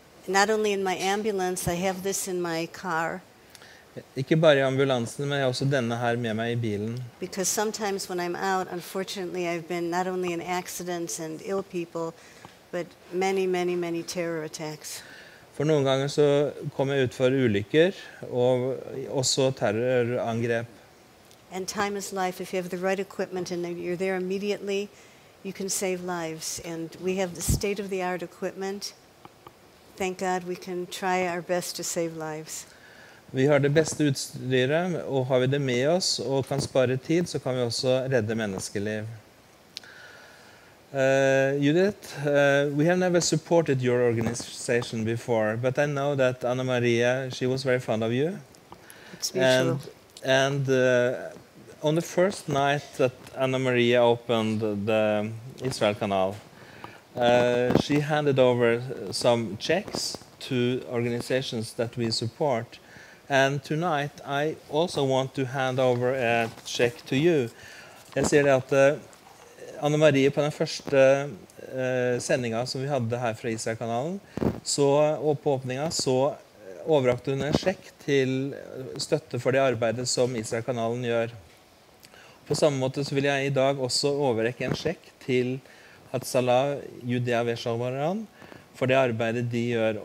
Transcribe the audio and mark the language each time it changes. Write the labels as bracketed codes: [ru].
[en] Not only in my ambulance, I have this in my car. [no] Ikke bare i ambulansen, men jeg har også denne her med meg i bilen. [en] Because sometimes when I'm out, unfortunately, I've been not only in accidents and ill people, but many, many, many terror attacks. [no] For noen ganger så kom jeg ut for ulykker, og også terrorangrep. [en] And time is life. If you have the right equipment and you're there immediately, you can save lives. And we have the state-of-the-art equipment. Thank God we can try our best to save lives. [no] Vi har det beste utstyret, og har vi det med oss, og kan spare tid, så kan vi også redde menneskeliv. [en] Judith, we have never supported your organization before, but I know that Anna Maria, she was very fond of you. It's mutual. And on the first night that Anna Maria opened the Israel Canal, she handed over some checks to organizations that we support. And tonight, I also want to hand over a check to you. [no] Jeg ser at Anne Marie, på den første sendingen som vi hadde her fra Israel-kanalen, og på åpningen, så overrakte hun en sjekk til støtte for det arbeidet som Israel-kanalen gjør. På samme måte så vil jeg i dag også overrekke en sjekk til Hatzalah Judea Veshalvaran for det arbeidet de gjør.